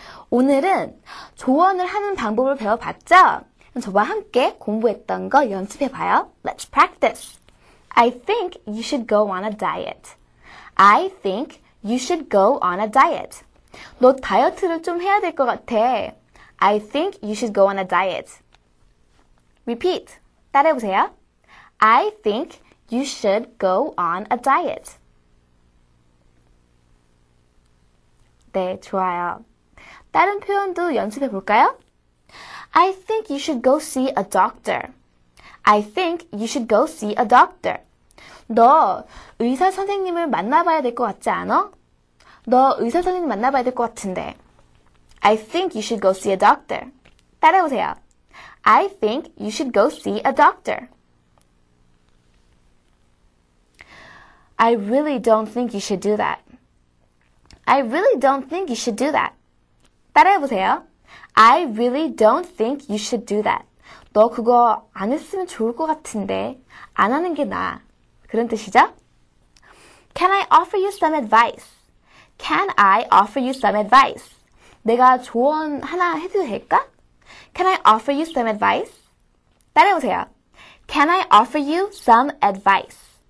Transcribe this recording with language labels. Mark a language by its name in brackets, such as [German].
[Korean] 오늘은 조언을 하는 방법을 배워봤죠? 저와 함께 공부했던 거 연습해봐요. [English] Let's practice. I think you should go on a diet. I think you should go on a diet. [Korean] 너 다이어트를 좀 해야 될 것 같아. [English] I think you should go on a diet. Repeat. [Korean] 따라해보세요. [English] I think you should go on a diet. [Korean] 네, 좋아요. 다른 표현도 연습해 볼까요? [English] I think you should go see a doctor. I think you should go see a doctor. [Korean] 너 의사 선생님을 만나봐야 될 것 같지 않아? 너 의사 선생님 만나봐야 될 것 같은데. [English] I think you should go see a doctor. [Korean] 따라해보세요. [English] I think you should go see a doctor. I really don't think you should do that. I really don't think you should do that. [Korean] 따라해보세요. [English] I really don't think you should do that. [Korean] 너 그거 안 했으면 좋을 것 같은데 안 하는 게 나아. 그런 뜻이죠? [English] Can I offer you some advice? Can I offer you some advice? [Korean] 내가 조언 하나 해도 될까? [English] Can I offer you some advice? [Korean] 따라해보세요. [English] Can I offer you some advice?